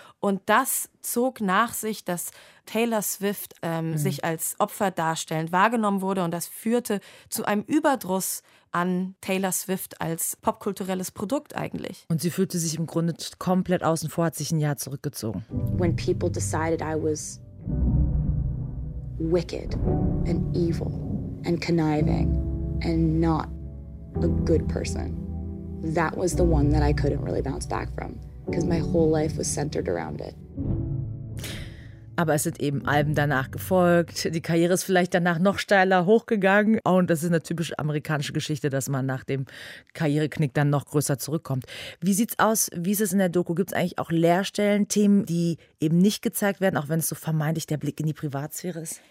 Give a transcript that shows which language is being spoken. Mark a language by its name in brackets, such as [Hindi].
[German] Und das zog nach sich, dass Taylor Swift sich als Opfer darstellend wahrgenommen wurde. Und das führte zu einem Überdruss an Taylor Swift als popkulturelles Produkt eigentlich. Und sie fühlte sich im Grunde komplett außen vor, hat sich ein Jahr zurückgezogen. [English] When people decided I was wicked and evil and conniving and not a good person, that was the one that I couldn't really bounce back from. Because my whole life was centered around it. [German] Aber es sind eben Alben danach gefolgt. Die Karriere ist vielleicht danach noch steiler hochgegangen. Und das ist eine typische amerikanische Geschichte, dass man nach dem Karriereknick dann noch größer zurückkommt. Wie sieht's aus? Wie ist es in der Doku? Gibt es eigentlich auch Leerstellen-Themen, die eben nicht gezeigt werden, auch wenn es so vermeintlich der Blick in die Privatsphäre ist?